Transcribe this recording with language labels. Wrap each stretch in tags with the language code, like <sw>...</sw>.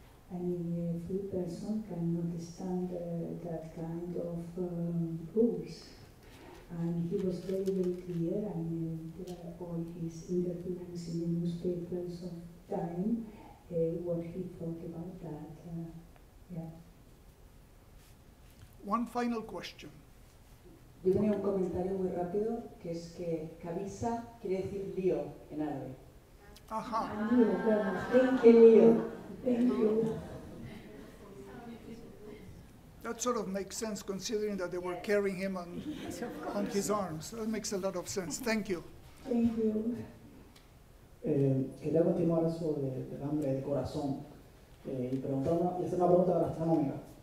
<en>I mean, a free person cannot stand that kind of rules. And he was very, very clear. I mean, all his interviews in the newspapers of time, what he thought about that. One final question.</en> <es>Yo tenía un comentario muy rápido, que es que cabeza quiere decir lío en árabe. Ajá. ¿Qué lío?</es> <en>That sort of makes sense considering that they were carrying him on his arms. That makes a lot of sense. Thank you. Thank you.</en> <es>Quería continuar sobre el hambre de corazón y hacer una pregunta gastronómica.</es>